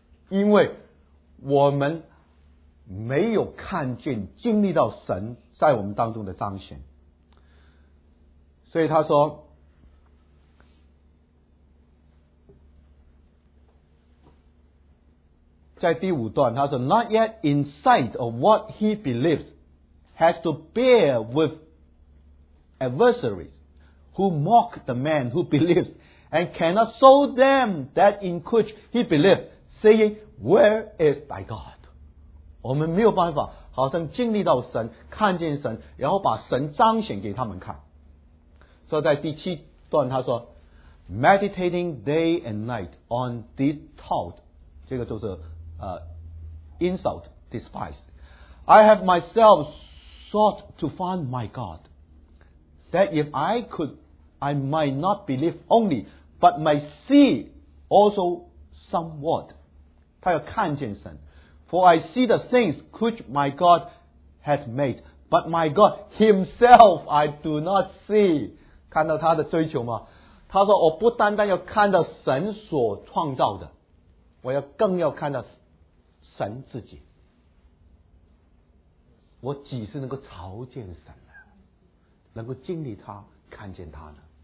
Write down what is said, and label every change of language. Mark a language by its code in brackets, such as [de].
[zh] 因为我们没有看见经历到神在我们当中的彰显。所以他说，在第五段，他说 [en] Not yet in sight of what he believes has to bear with adversaries who mock the man who believes and cannot show them that in which he believes, saying, Where is thy God? [zh] 我们没有办法好像经历到神，看见神，然后把神彰显给他们看。所以在第七段他说 [en] Meditating day and night on this thought, [zh] 这个就是 [en] insult, despised. I have myself sought to find my God, that if I could, I might not believe only, but might see also somewhat. [zh] 他要看见神。 [en] For I see the things which my God had made, but my God himself I do not see. [zh] 看到他的追求吗？他说我不单单要看到神所创造的，我要更要看到神自己，我几时能够朝见神呢？能够经历他，看见他呢？